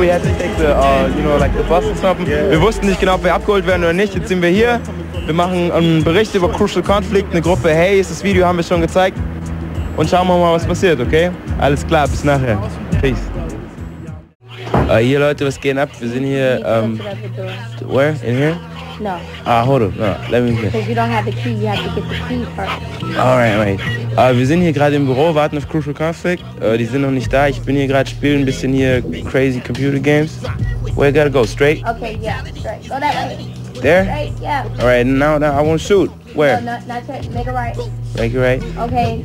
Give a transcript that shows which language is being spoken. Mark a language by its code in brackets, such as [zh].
[en] we had to take the, you know, like the bus or something. [de] Wir wussten nicht genau, ob wir abgeholt werden oder nicht. Jetzt sind wir hier. Wir machen einen Bericht über Crucial Conflict, eine Gruppe. Hey, ist das Video, haben wir schon gezeigt. Und schauen wir mal, was passiert, okay? Alles klar, bis nachher. Peace. Hier Leute, was geht ab? Wir sind hier, [en] where? In here? No. Hold up, no, let me in. Because you don't have the key, you have to get the key first. Alright, wait. [de] Wir sind hier gerade im Büro, warten auf Crucial Conflict. Die sind noch nicht da, ich bin hier gerade, spielen ein bisschen hier [en] crazy computer games. Where you gotta go? Straight? Okay, yeah, straight. Go that way. There? Straight, yeah. Alright, now I won't shoot. Where? No, not make a right. Make a right. Okay.